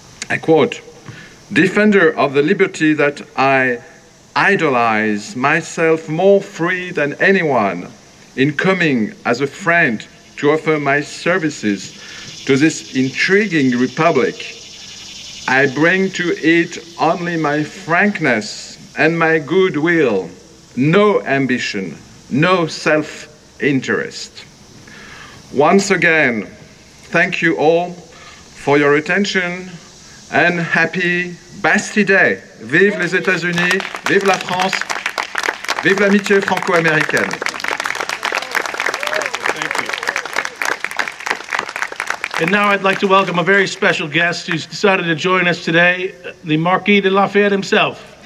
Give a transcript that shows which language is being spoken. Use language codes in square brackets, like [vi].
[en] I quote, "Defender of the liberty that I idolize, myself more free than anyone, in coming as a friend to offer my services to this intriguing republic, I bring to it only my frankness and my goodwill, no ambition, no self-interest." Once again, thank you all for your attention and happy Bastille Day. [fr] Vive les États-Unis, vive la France, vive l'amitié franco-américaine. [en] And now I'd like to welcome a very special guest who's decided to join us today, the Marquis de Lafayette himself.